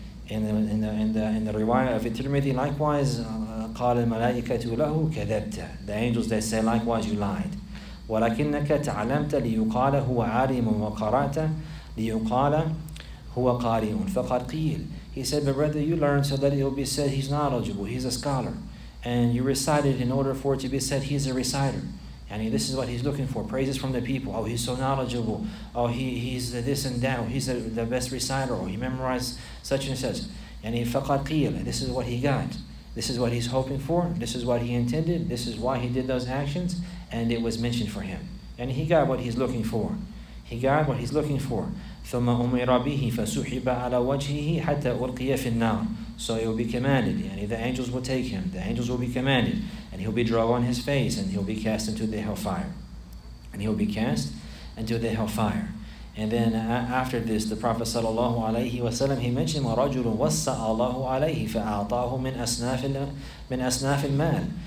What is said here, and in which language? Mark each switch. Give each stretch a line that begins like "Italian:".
English: In the riwayah of Tirmidhi, likewise,
Arabic: قال الملائكة له كذبت.
English: The angels, they say, likewise, you lied.
Arabic: ولكنك تعلمت ليقال هو عالم وقرأت ليقال هو قارئ فقد قيل.
English: He said, but brother, you learned so that it will be said he's knowledgeable, he's a scholar, and you recited in order for it to be said he's a reciter. And this is what he's looking for, praises from the people. Oh, he's so knowledgeable. Oh, he's this and that. He's the best reciter. Oh, he memorized such and such. And he faqad qila. This is what he got. This is what he's hoping for. This is what he intended. This is why he did those actions. And it was mentioned for him. And he got what he's looking for. He got what he's looking for.
Arabic: ثم أمر به فسحب على وجهه حتى ألقي في النار.
English: So he will be commanded. The angels will take him. The angels will be commanded. And he'll be drawn on his face and he'll be cast into the hellfire. And he'll be cast into the hellfire. And then after this, the Prophet sallallahu alayhi wa sallam, he mentioned,
Arabic: وَرَجُلٌ وَسَّى اللَّهُ عَلَيْهِ فَأَعْطَاهُ مِنْ أَسْنَافِ الْمَالِ.